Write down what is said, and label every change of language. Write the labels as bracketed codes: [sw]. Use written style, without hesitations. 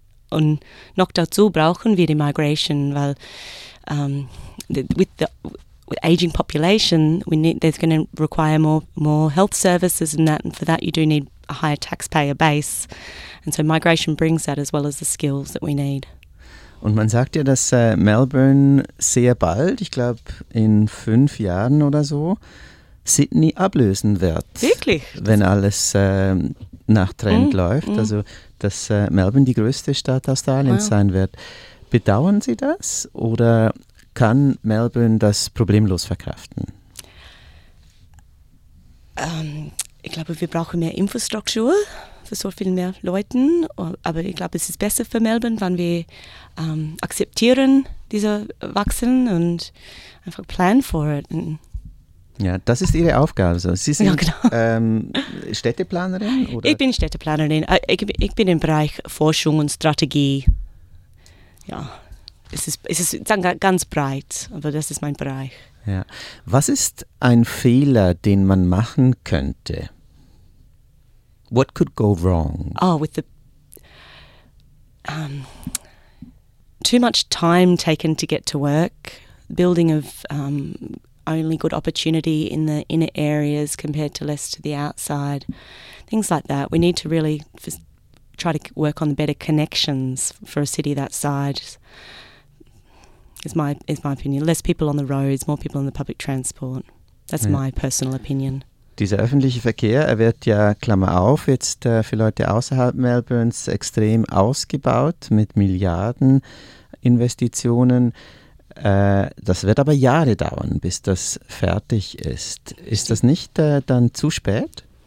[de] Und noch dazu brauchen wir die Migration, weil [en] with aging population, there's going to require more health services and that, and for that you do need a higher taxpayer base. And so migration brings that as well as the skills that we need. [de] Und man sagt ja, dass Melbourne sehr bald, ich glaube in 5 Jahren oder so, Sydney ablösen wird. Wirklich? Wenn alles nach Trend läuft. Also, dass Melbourne die größte Stadt Australiens sein wird. Bedauern Sie das oder kann Melbourne das problemlos verkraften? Ich glaube, wir brauchen mehr Infrastruktur für so viel mehr Leute. Aber ich glaube, es ist besser für Melbourne, wenn wir akzeptieren, diese Wachsen und einfach [en] plan for it. [de] Ja, das ist Ihre Aufgabe. Also Sie sind ja, genau. Städteplanerin? Oder? Ich bin Städteplanerin. Ich bin im Bereich Forschung und Strategie. Ja, es ist ganz breit, aber das ist mein Bereich. Ja. Was ist ein Fehler, den man machen könnte? [en] What could go wrong? Oh, with the too much time taken to get to work, building of only good opportunity in the inner areas compared to less to the outside, things like that. We need to really try to work on the better connections for a city that size. Is my opinion. Less people on the roads, more people in the public transport. That's my personal opinion. [de] Dieser öffentliche Verkehr, er wird ja, Klammer auf, jetzt für Leute außerhalb Melbournes extrem ausgebaut mit Milliarden Investitionen. Das wird aber Jahre dauern, bis das fertig ist. Ist das nicht dann zu spät?